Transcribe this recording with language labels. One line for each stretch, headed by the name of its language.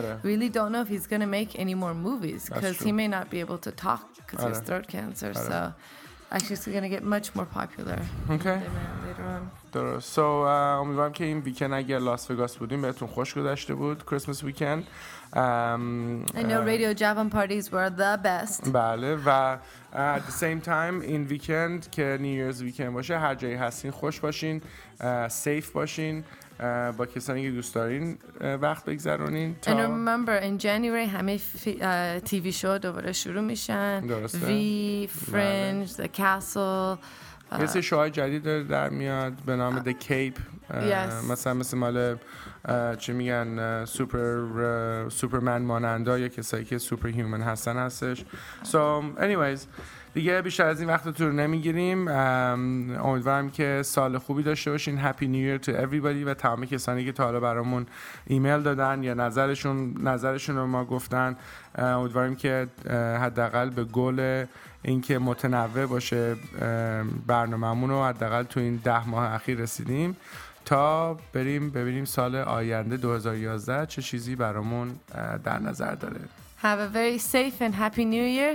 English: Really don't know if he's going to make any more movies because he may not be able to talk because of his throat cancer. So actually, it's going to get much more popular. Okay. Later on.
Persian: So, امیدوارم که این ویکند اگر لاس وگاس بودیم بهتون خوش گذشته بود.
English: Christmas weekend. I know Radio Javan parties were the best.
Persian: بله, و at the same time, این ویکند که New Year's weekend باشه, هر جایی هستین خوش باشین, safe باشین, با کسانی که دوست دارین وقت بگذرونین. تا And remember, in January همه تیوی شو دوباره شروع میشن. درسته. V, Fringe, بله. The Castle. یه سه شوهای جدید داره در میاد به نام The Cape.
English: Yes.
Persian: مثل مال چی میگن سوپرمن مانندا یا کسایی که سوپر هیومن هستن هستش. So anyways, دیگه بیشتر از این وقتتون رو نمیگیریم. امیدوارم که سال خوبی داشته باشین. هپی نیو ایر تو اوریبادی و تمام کسانی که تا حالا برامون ایمیل دادن یا نظرشون رو ما گفتن. امیدواریم که حداقل به گل اینکه متنوع باشه برنامه‌مون رو حداقل تو این 10 ماه اخیر رسیدیم، تا بریم ببینیم سال آینده 2011 چه چیزی برامون در نظر داره.
English: Have a very safe and happy new year.